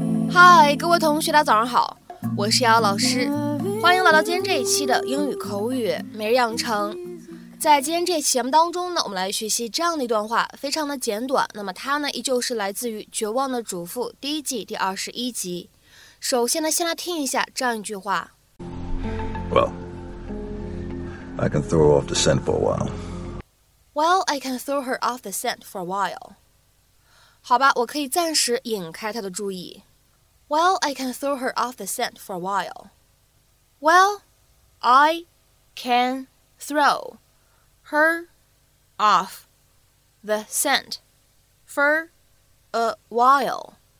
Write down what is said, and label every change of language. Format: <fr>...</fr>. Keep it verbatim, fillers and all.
<zh>嗨，各位同学，大家早上好，我是姚老师，欢迎来到今天这一期的英语口语每日养成。在今天这期节目当中呢，我们来学习这样的一段话，非常的简短。那么它呢，依旧是来自于《绝望的主妇》第一季第二十一集。首先呢，先来听一下这样一句话。</zh> <en>Well, I can throw off the scent for a while. Well, I can throw her off the scent for a while.</en> <zh>好吧，我可以暂时引开她的注意。</zh> <en>Well, I can throw her off the scent for a while. Well, I can throw her off the scent for a while.</en>